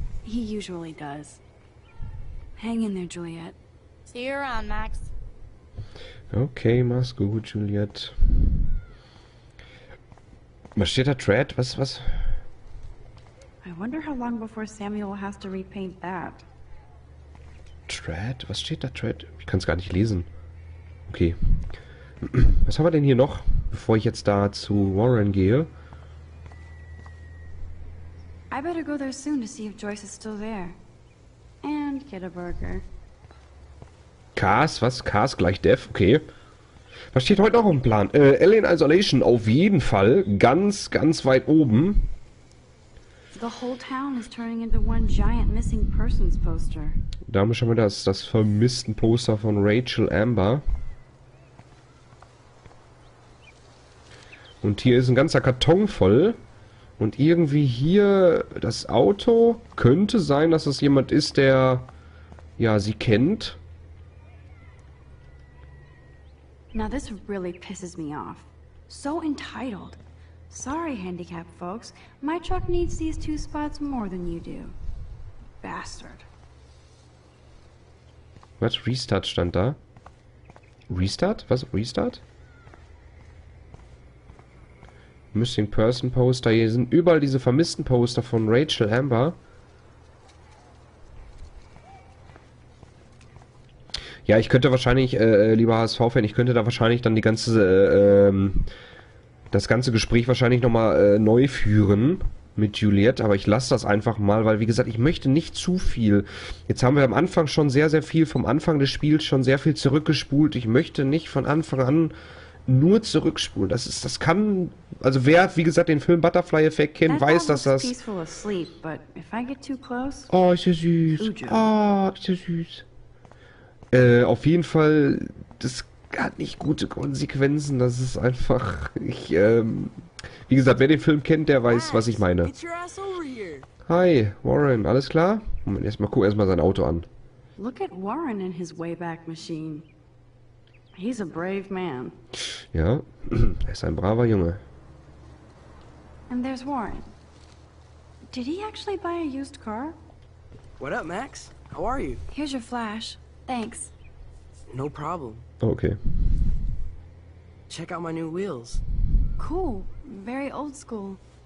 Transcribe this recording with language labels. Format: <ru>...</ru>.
<en>He usually does. Hang in there, Juliet. See you around, Max.</en> <de>Okay, mach's gut, Juliet. Was steht da, Tread? Was?</de> <en>I wonder how long before Samuel has to repaint that.</en> <de>Tread? Was steht da, Tread? Ich kann's gar nicht lesen. Okay. Was haben wir denn hier noch, bevor ich jetzt da zu Warren gehe?</de> <en>I better go there soon to see if Joyce is still there. And get a burger.</en> <de>Cass, was? Cass gleich Dev? Okay. Was steht heute noch im Plan? Alien Isolation auf jeden Fall. Ganz, ganz weit oben.</de> <en>The whole town is turning into one giant missing persons poster.</en> <de>Da haben wir das vermissten Poster von Rachel Amber. Und hier ist ein ganzer Karton voll. Und irgendwie hier das Auto. Könnte sein, dass das jemand ist, der ja, sie kennt.</de> <en>Now this really pisses me off. So entitled. Sorry, handicapped folks. My truck needs these two spots more than you do. Bastard.</en> <de>Was? Restart stand da? Restart? Was? Restart?</de> <en>Missing Person Poster.</en> <de>Hier sind überall diese vermissten Poster von Rachel Amber. Ja, ich könnte wahrscheinlich, lieber HSV-Fan, ich könnte da wahrscheinlich dann die ganze, das ganze Gespräch wahrscheinlich nochmal neu führen mit Juliet, aber ich lasse das einfach mal, weil wie gesagt, ich möchte nicht zu viel. Jetzt haben wir am Anfang schon sehr, sehr viel vom Anfang des Spiels schon sehr viel zurückgespult. Ich möchte nicht von Anfang an nur zurückspulen. Das kann, also wer, wie gesagt, den Film Butterfly Effect kennt,</de> <en>that</en> <de>weiß, dass das...</de> <en>Asleep, but if I get too close,</en> <de>oh, ist ja süß. Ist ja süß. Auf jeden Fall, das hat nicht gute Konsequenzen, das ist einfach, ich, wie gesagt, wer den Film kennt, der weiß, was ich meine. Hi, Warren, alles klar? Moment, erstmal guck erstmal sein Auto an.</de> <en>Look at Warren in his Wayback Machine. He's a brave man.</en> <de>Ja, er ist ein braver Junge.</de> <en>And there's Warren. Did he actually buy a used car? What up, Max? How are you? Here's your flash. Thanks. No problem. Okay. Check out my new wheels. Cool. Very old school.</en>